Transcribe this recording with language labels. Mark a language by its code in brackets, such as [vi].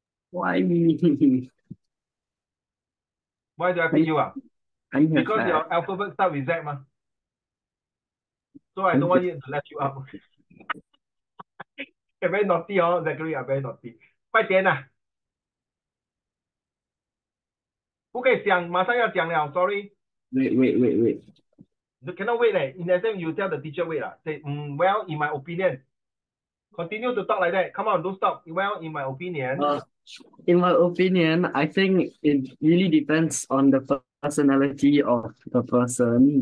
[en] Why? Why do I pick you up? Because your alphabet starts with Z, ma. So I don't want you to let you up. You're very naughty, oh, Zachary, I'm very naughty. [zh] 快点啊！不可以讲，马上要讲了。 [en] Sorry. Wait. You cannot wait leh. In the same, you tell the teacher wait lah. Say, well, in my opinion, continue to talk like that. Come on, don't stop. Well, in my opinion. In my opinion, I think it really depends on the personality of the person.